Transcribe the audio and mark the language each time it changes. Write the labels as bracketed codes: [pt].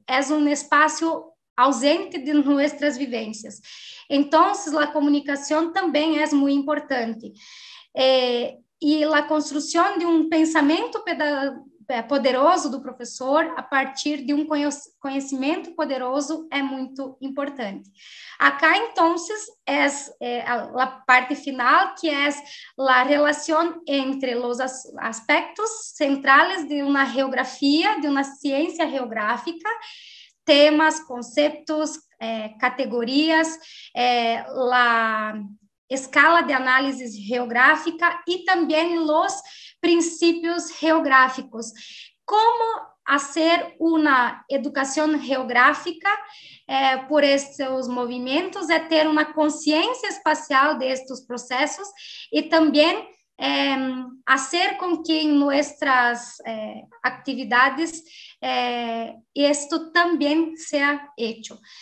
[es] Es un espacio ausente de nuestras vivências. [pt] Então, a comunicação também é muito importante. E a construção de um pensamento poderoso do professor a partir de um conhecimento poderoso é muito importante. Acá, então, é a parte final, que é a relação entre os aspectos centrais de uma geografia, de uma ciência geográfica, temas, [es] conceptos, categorías, la escala de análisis geográfica y también los principios geográficos. ¿Cómo hacer una educación geográfica por estos movimientos? Es tener una conciencia espacial de estos procesos y también hacer con que en nuestras actividades esto también sea hecho.